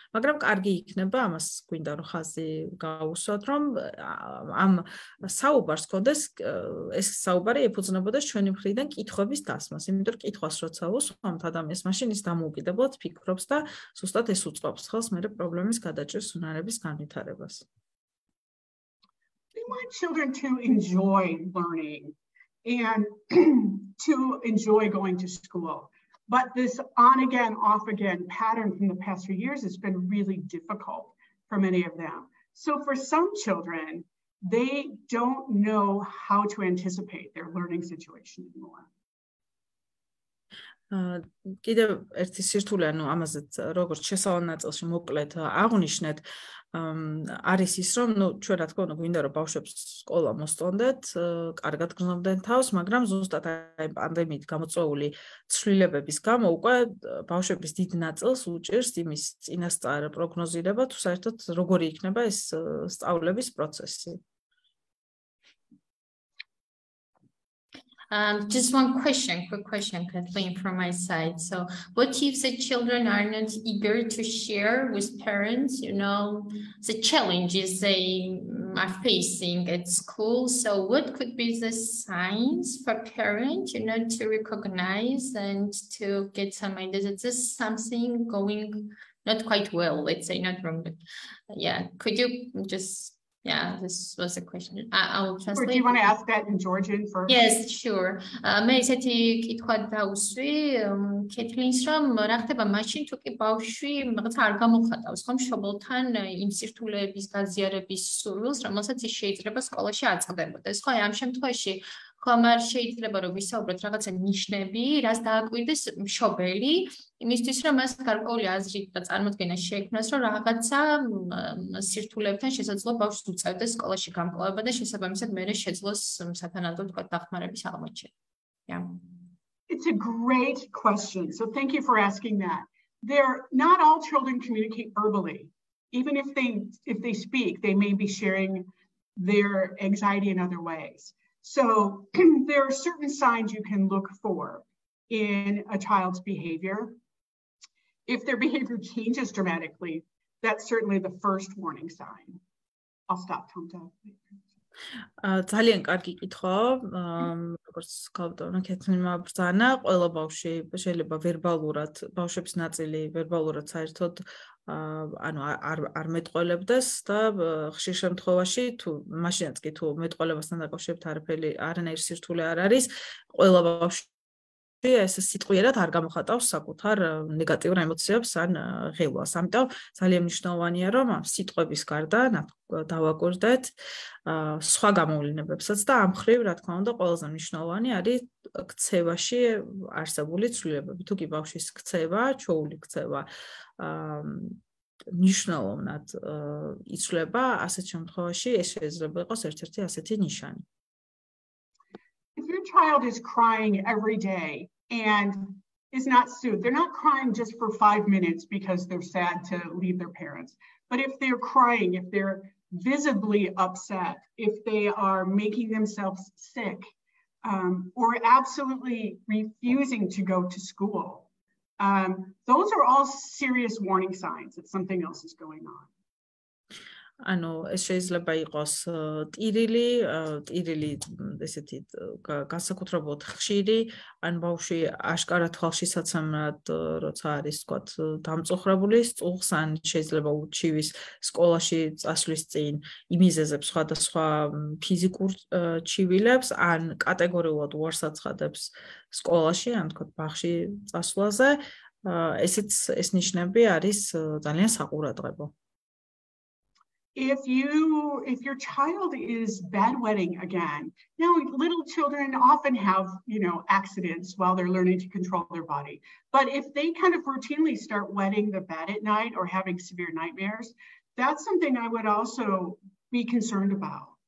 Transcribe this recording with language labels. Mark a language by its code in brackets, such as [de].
[ka] მაგრამ კარგი იქნება ამას გვინდა რომ ხაზი გაუსვათ, რომ ამ საუბარს კონდეს ეს საუბარი ეფუძნებოდეს ჩვენი მხრიდან კითხვების დასმას, იმიტომ რომ კითხვას როცა უსვამთ ადამიანს, მაშინ ის დამოუკიდებლად ფიქრობს და ზუსტად ეს უწყობს ხელს მეორე პრობლემის გადაჭრის უნარების განვითარებას. [en] We want children to enjoy learning and to enjoy going to school. But this on again, off again pattern from the past few years has been really difficult for many of them. So for some children, they don't know how to anticipate their learning situation anymore. [ka] კიდევ ერთი სირთულე, ანუ ამაზეც როგორც შესავალ ნაწილში მოკლედ აღვნიშნეთ, არის ის, რომ ნუ ჩვენ რა თქმა უნდა გვინდა რომ ბავშვებს სკოლა მოსწონდეთ, კარგად გრძნობდნენ თავს, მაგრამ ზუსტად აი პანდემიით გამოწვეული ცვლილებების გამო უკვე ბავშვების დიდ ნაწილს უჭირს იმის წინასწარ პროგნოზირება, თუ საერთოდ როგორი იქნება ეს სწავლების პროცესი. [en] Just one question, quick question, Kathleen, from my side. So what if the children are not eager to share with parents, you know, the challenges they are facing at school? So what could be the signs for parents, you know, to recognize and to get some idea that there's something going not quite well, let's say, not wrong, but yeah, could you just... Yeah, this was a question. I'll translate. Or do you want to ask that in Georgian first? Yes, sure. [ka] Მე ესეთი კითხვა დავსვი კეთლინს, რომ რა ხდება მაშინ თუ კი ბავშვი რაღაც არ გამოხატავს ხომ შობლთან იმ სირთულეების დაზიარების სურვილს, რომელსაც ის შეიძლება სკოლაში აწყდებოდეს. ხო, აი ამ შემთხვევაში ხომ არ შეიძლება რომ ვისაუბროთ რაღაცა ნიშნები, რას დააკვირდეს მშობელი იმისთვის, რომ მას გარკვეული აზრი და წარმოდგენა შეექმნას, რომ რაღაცა სირთულეებთან შესაძლოა ბავშვს უწევდეს სკოლაში გამკლავება და შესაბამისად მერე შეძლოს სათანადო თქვა დახმარების აღმოჩენა. [en] Yeah. It's a great question. So thank you for asking that. There not all children communicate verbally. Even if they speak, they may be sharing their anxiety in other ways. So there are certain signs you can look for in a child's behavior. If their behavior changes dramatically, that's certainly the first warning sign. I'll stop, Tomta. [ka] ძალიან კარგი კითხვა, როგორც გავტანა კეთნიმა ბრძანა, ყველა ბავშვი შეიძლება ვერბალურად, ბავშვების ნაწილი ვერბალურად საერთოდ ანუ არ მეტყოლებდეს და ხშირ შემთხვევაში თუ მაშინაც კი თუ მეტყოლებასთან დაკავშირებით არაფერი არანაირი სირთულე არ არის, ყველა ბავშვი ეს სიტყვიერად არ გამოხატავს საკუთარ ნეგატიურ ემოციებს ან ღელვას. ამიტომ ძალიან მნიშვნელოვანია რომ ამ სიტყვების გარდა დავაკვირდეთ სხვა გამოვლენებსაც და ამ ხრივ რა თქმა უნდა ყველაზე მნიშვნელოვანი არის ქცევაში არსებული ცვლილებები. თუ კი ბავშვის ქცევა, ჩოული ქცევა მნიშვნელოვნად იცვლება, ასეთ შემთხვევაში ეს შეიძლება იყოს ერთ-ერთი ასეთი ნიშანი. [en] If your child is crying every day and is not soothed. They're not crying just for 5 minutes because they're sad to leave their parents. But if they're crying, if they're visibly upset, if they are making themselves sick, or absolutely refusing to go to school, those are all serious warning signs that something else is going on. [ka] ანუ ეს შეიძლება იყოს ტირილი, ტირილი ესეთი განსაკუთრებულად ხშირი, ან ბავშვი აშკარად თვალშისაცემად როცა არის თქვათ დამწუხრებული, სწუხს, ან შეიძლება უჩივის სკოლაში წასვლის წინ იმიზეზებს სხვადასხვა ფიზიკურ ჩივილებს, ან კატეგორიულად უარს აცხადებს სკოლაში, ან თქვათ ბავშვი წასვლაზე, ესეც ეს ნიშნები არის ძალიან საყურადღებო. [en] If your child is bedwetting again, now little children often have, you know, accidents while they're learning to control their body. But if they kind of routinely start wetting the bed at night or having severe nightmares, that's something I would also be concerned about.